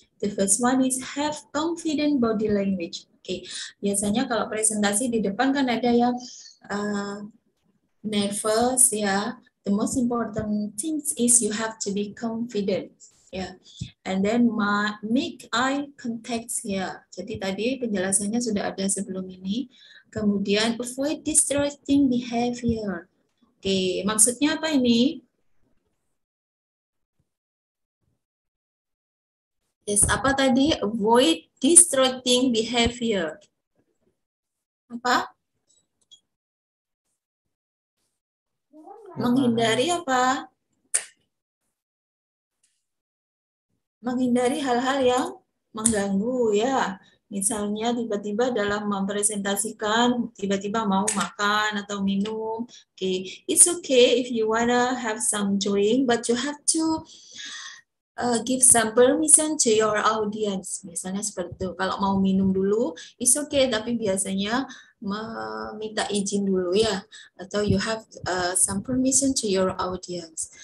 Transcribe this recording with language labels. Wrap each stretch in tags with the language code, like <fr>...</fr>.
<en>The first one is have confident body language. Okay.</en> <id>Biasanya kalau presentasi di depan kan ada ya nervous ya.</id> <en>The most important things is you have to be confident. Yeah, and then make eye contact here. Yeah.</en> <id>Jadi tadi penjelasannya sudah ada sebelum ini.</id> <en>Kemudian avoid distracting behavior.</en> <id>Oke, maksudnya apa ini?</id> <en>Yes,</en> <id>apa tadi?</id> <en>Avoid distracting behavior. Apa?</en> <id>Menghindari apa? Menghindari hal-hal yang mengganggu ya. Misalnya tiba-tiba dalam mempresentasikan, tiba-tiba mau makan atau minum.</id> <en>Oke, okay. It's okay if you wanna have some drink, but you have to give some permission to your audience.</en> <id>Misalnya seperti itu, kalau mau minum dulu,</id> <en>it's okay,</en> <id>tapi biasanya meminta izin dulu ya. Atau</id> <en>you have some permission to your audience.</en>